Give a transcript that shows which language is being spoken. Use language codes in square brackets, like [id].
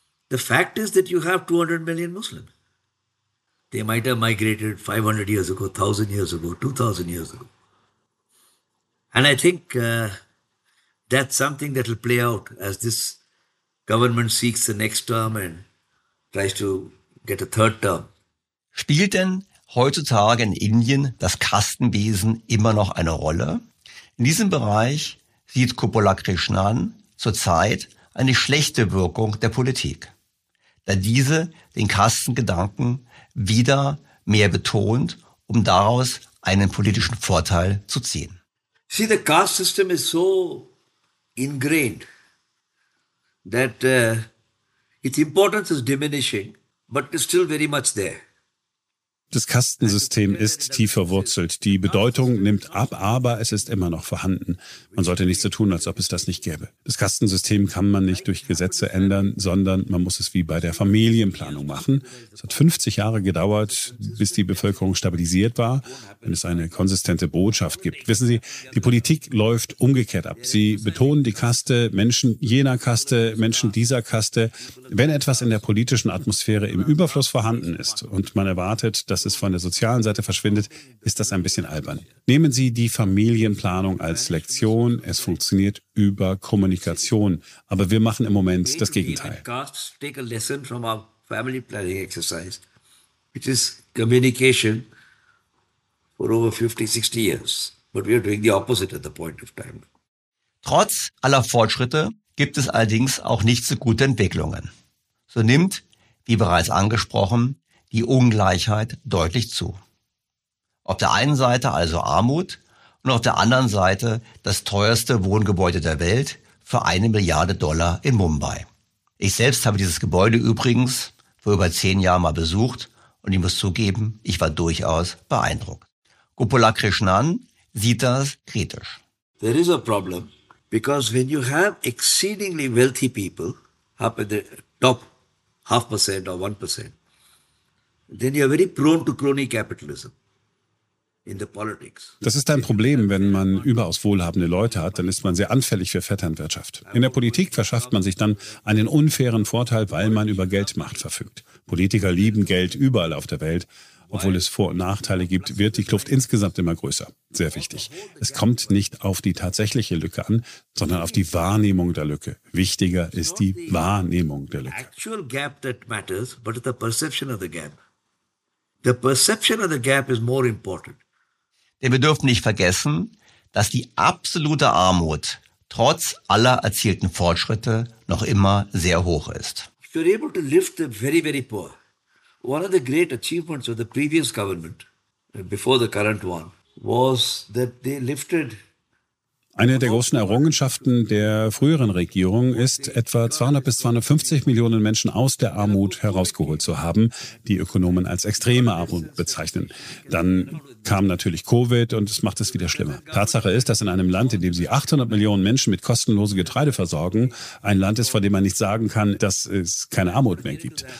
[en] The fact is that you have 200 million Muslims. They might have migrated 500 years ago, 1,000 years ago, 2,000 years ago. And I think that's something that will play out as this government seeks the next term and tries to get a third term. [de] Spielt denn heutzutage in Indien das Kastenwesen immer noch eine Rolle? In diesem Bereich sieht Gopalakrishnan zurzeit eine schlechte Wirkung der Politik, da diese den Kastengedanken wieder mehr betont, um daraus einen politischen Vorteil zu ziehen. [en] See, the caste system is so ingrained that its importance is diminishing, but it's still very much there. [de] Das Kastensystem ist tief verwurzelt. Die Bedeutung nimmt ab, aber es ist immer noch vorhanden. Man sollte nicht so tun, als ob es das nicht gäbe. Das Kastensystem kann man nicht durch Gesetze ändern, sondern man muss es wie bei der Familienplanung machen. Es hat 50 Jahre gedauert, bis die Bevölkerung stabilisiert war, wenn es eine konsistente Botschaft gibt. Wissen Sie, die Politik läuft umgekehrt ab. Sie betonen die Kaste, Menschen jener Kaste, Menschen dieser Kaste. Wenn etwas in der politischen Atmosphäre im Überfluss vorhanden ist und man erwartet, dass es von der sozialen Seite verschwindet, ist das ein bisschen albern. Nehmen Sie die Familienplanung als Lektion. Es funktioniert über Kommunikation. Aber wir machen im Moment das Gegenteil. [en] Take a lesson from our family planning exercise, which is communication for over 50, 60 years. But we are doing the opposite at the point of time. [de] Trotz aller Fortschritte gibt es allerdings auch nicht so gute Entwicklungen. So nimmt, wie bereits angesprochen, die Ungleichheit deutlich zu. Auf der einen Seite also Armut und auf der anderen Seite das teuerste Wohngebäude der Welt für $1 Milliarde in Mumbai. Ich selbst habe dieses Gebäude übrigens vor über 10 Jahren mal besucht und ich muss zugeben, ich war durchaus beeindruckt. Gopalakrishnan sieht das kritisch. [en] There is a problem, because when you have exceedingly wealthy people up at the top 0.5% or 1%, then you are very prone to crony capitalism in the politics. [de] Das ist ein Problem, wenn man überaus wohlhabende Leute hat, dann ist man sehr anfällig für Vetternwirtschaft. In der Politik verschafft man sich dann einen unfairen Vorteil, weil man über Geldmacht verfügt. Politiker lieben Geld überall auf der Welt. Obwohl es Vor- und Nachteile gibt, wird die Kluft insgesamt immer größer. Sehr wichtig. Es kommt nicht auf die tatsächliche Lücke an, sondern auf die Wahrnehmung der Lücke. Wichtiger ist die Wahrnehmung der Lücke. [en] Actual gap that matters, but the perception of the gap. The perception of the gap is more important. [de] Denn wir dürfen nicht vergessen, dass die absolute Armut trotz aller erzielten Fortschritte noch immer sehr hoch ist. [en] If you're able to lift the very, very poor, one of the great achievements of the previous government, before the current one, was that they lifted. [de] Eine der großen Errungenschaften der früheren Regierung ist, etwa 200 bis 250 Millionen Menschen aus der Armut herausgeholt zu haben, die Ökonomen als extreme Armut bezeichnen. Dann kam natürlich Covid und es macht es wieder schlimmer. Tatsache ist, dass in einem Land, in dem sie 800 Millionen Menschen mit kostenlosem Getreide versorgen, ein Land ist, vor dem man nicht sagen kann, dass es keine Armut mehr gibt.